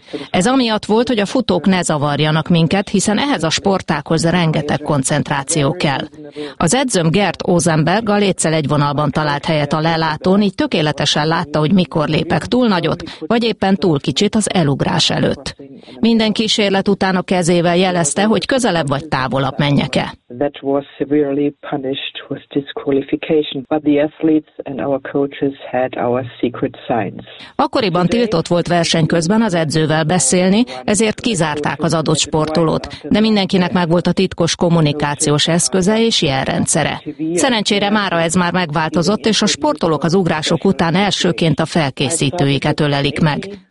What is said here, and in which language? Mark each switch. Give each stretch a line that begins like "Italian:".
Hungarian: Ez amiatt volt, hogy a futók ne zavarjanak minket, hiszen ehhez a sportághoz rengeteg koncentráció kell. Az edzőm Gert Ozenberg a léccel egy vonalban talált helyet a lelátón, így tökéletesen látta, hogy mikor lépek túl nagyot, vagy éppen túl kicsit az elugrás előtt. Minden kísérlet után a kezével jelezte, hogy közelebb vagy távolabb menjek-e.
English: That was severely punished with disqualification, but the athletes and our coaches had our secret signs.
Hungarian: Akkoriban tiltott volt verseny közben az edzővel beszélni, ezért kizárták az adott sportolót, de mindenkinek megvolt a titkos kommunikációs eszköze és jelrendszere. Szerencsére mára ez már megváltozott, és a sportolók az ugrások után elsőként a felkészítőiket ölelik meg.